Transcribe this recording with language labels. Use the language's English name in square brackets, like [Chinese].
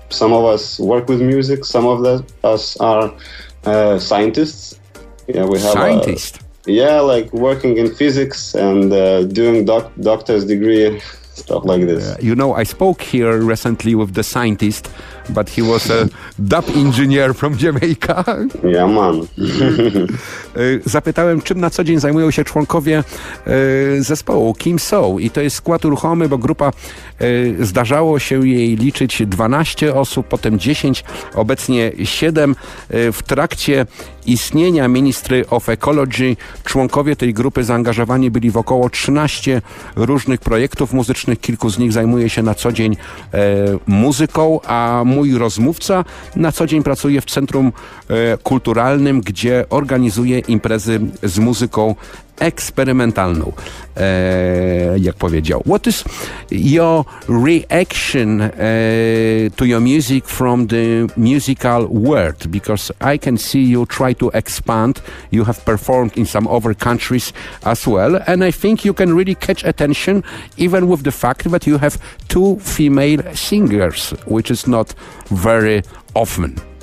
[English] Some of us work with music. Some of us are scientists. Yeah, we have scientists. Yeah, like working in physics and doing doctor's degree, stuff like this. You know, I spoke here recently with the scientist but he was a dub engineer from Jamaica. Yeah, man. [Polish] Zapytałem, czym na co dzień zajmują się członkowie zespołu, kim są. I to jest skład ruchomy, bo grupa, zdarzało się jej liczyć 12 osób, potem 10, obecnie 7. W trakcie istnienia Ministry of Ecology członkowie tej grupy zaangażowani byli w około 13 różnych projektów muzycznych. Kilku z nich zajmuje się na co dzień muzyką, a mój rozmówca na co dzień pracuje w Centrum Kulturalnym, gdzie organizuje imprezy z muzyką eksperymentalną, jak powiedział. [English] What is your reaction to your music from the musical world? Because I can see you try to expand. You have performed in some other countries as well. And I think you can really catch attention even with the fact that you have two female singers, which is not very often.